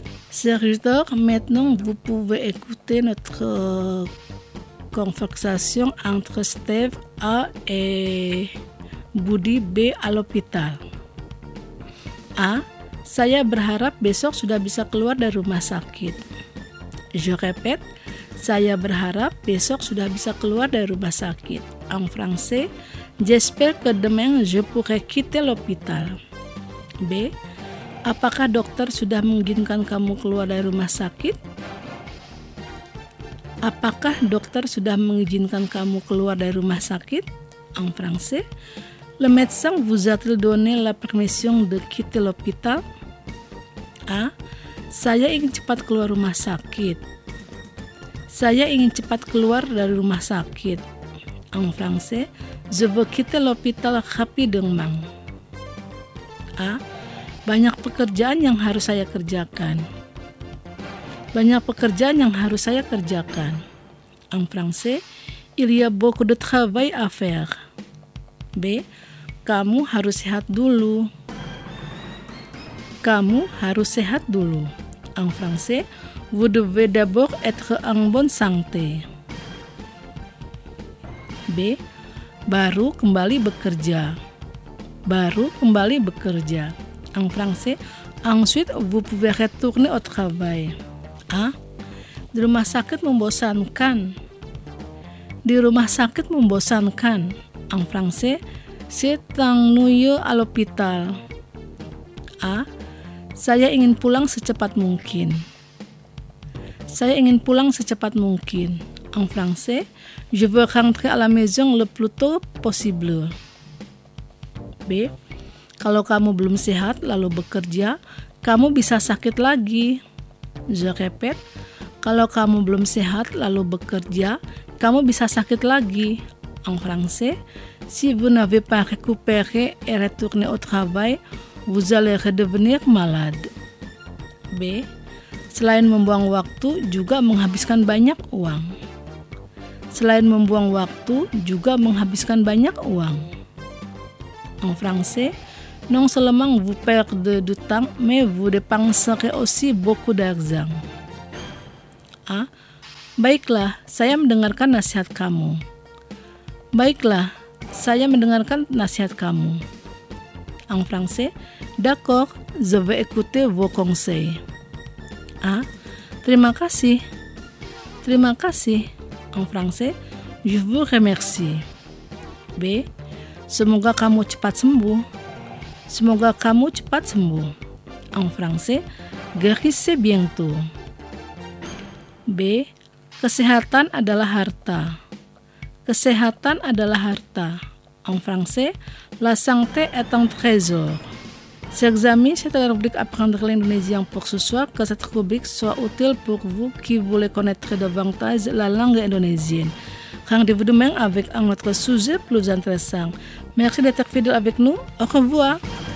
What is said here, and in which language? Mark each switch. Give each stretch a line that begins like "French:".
French: Serviteur, maintenant vous pouvez écouter notre conversation entre Steve A et Budi B à l'hôpital.
Indonesian: A, saya berharap besok sudah bisa keluar dari rumah sakit.
French: Je répète,
Indonesian: saya berharap besok sudah bisa keluar dari rumah sakit.
French: En français, j'espère que demain je pourrai quitter l'hôpital.
Indonesian: B, apakah dokter sudah mengizinkan kamu keluar dari rumah sakit? Apakah dokter sudah mengizinkan kamu keluar dari rumah sakit?
French: En français, le médecin vous a-t-il donné la permission de quitter l'hôpital?
Indonesian: A, saya ingin cepat keluar rumah sakit. Saya ingin cepat keluar dari rumah sakit.
French: En français, je veux quitter l'hôpital rapidement.
Indonesian: A, banyak pekerjaan yang harus saya kerjakan. Banyak pekerjaan yang harus saya kerjakan.
French: En français, il y a beaucoup de travail à faire.
Indonesian: B, kamu harus sehat dulu. Kamu harus sehat dulu.
French: En français, vous devez d'abord être en bonne santé.
Indonesian: B, baru kembali bekerja. Baru kembali bekerja.
French: En français, Ensuite, vous pouvez retourner au travail.
Indonesian: Ah, di rumah sakit membosankan. Di rumah sakit membosankan.
French: En français, c'est ennuyeux à l'hôpital.
Indonesian: Ah, saya ingin pulang secepat mungkin. Saya ingin pulang secepat mungkin.
French: En français, je veux rentrer à la maison le plus tôt possible. B.
Indonesian: Kalau kamu belum sehat lalu bekerja, kamu bisa sakit lagi.
French: Je répète,
Indonesian: kalau kamu belum sehat lalu bekerja, kamu bisa sakit lagi.
French: En français, si vous n'avez pas récupéré et retourné au travail, vous allez redevenir malade. B.
Indonesian: Selain membuang waktu, juga menghabiskan banyak uang. Selain membuang waktu, juga menghabiskan banyak uang.
French: En français, non seulement vous perdez du temps, mais vous dépensez aussi beaucoup d'argent. A.
Indonesian: Baiklah, saya mendengarkan nasihat kamu. Baiklah, saya mendengarkan nasihat kamu.
French: En français, d'accord, je vais écouter vos conseils. A.
Indonesian: Terima kasih. Terima kasih.
French: En français, je vous remercie. B.
Indonesian: Semoga kamu cepat sembuh. Semoga kamu cepat sembuh.
French: En français, guérissez bientôt. B.
Indonesian: Kesehatan adalah harta. Kesehatan adalah harta.
French: En français, la santé est un trésor. S'examine cette rubrique apprendre l'indonésien pour ce soir, que cette rubrique soit utile pour vous qui voulez connaître davantage la langue indonésienne. Rendez-vous demain avec un autre sujet plus intéressant. Merci d'être fidèle avec nous. Au revoir.